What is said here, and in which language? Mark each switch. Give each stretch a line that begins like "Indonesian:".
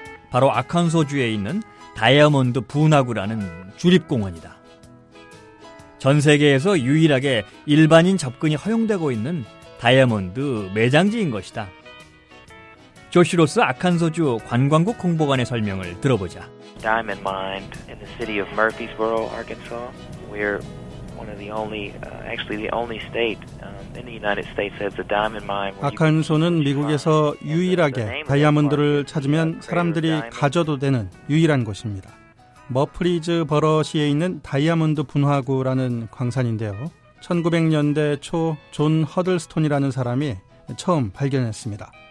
Korean: 바로 아칸소주에 있는 다이아몬드 분화구라는 주립공원이다. 전 세계에서 유일하게 일반인 접근이 허용되고 있는 다이아몬드 매장지인 것이다. 조시로스 아칸소주 관광국 홍보관의 설명을 들어보자.
English: Diamond mine in the city of Murfreesboro, Arkansas. We're one of the only, actually the only state in the United States that's a diamond mine.
Korean: 아칸소는 미국에서 유일하게 다이아몬드를 찾으면 사람들이 가져도 되는 유일한 곳입니다. 머프리즈버러 시에 있는 다이아몬드 분화구라는 광산인데요. 1900년대 초 존 허들스톤이라는 사람이 처음 발견했습니다.